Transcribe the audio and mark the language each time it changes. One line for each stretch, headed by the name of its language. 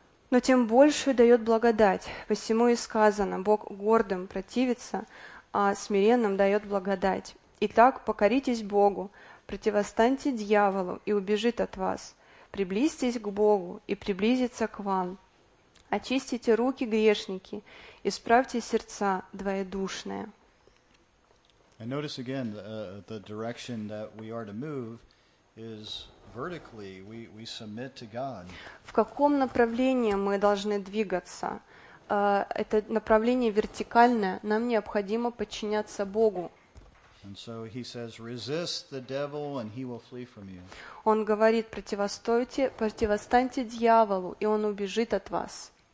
Russian: Но тем большую дает благодать. Посему и сказано: Бог гордым противится, а смиренным дает благодать. Итак, покоритесь Богу, противостаньте дьяволу, и убежит от вас. Приблизьтесь к Богу, и приблизится к вам. Очистите руки, грешники, исправьте сердца двоедушные.
English: And notice again the direction that we are to move is vertically, we submit to God.
Russian: В каком направлении мы должны двигаться? Это направление вертикальное. Нам необходимо подчиняться Богу.
English: And so he says, resist the devil and he will flee from you.
Russian: Он говорит: противостаньте дьяволу, и он убежит от вас.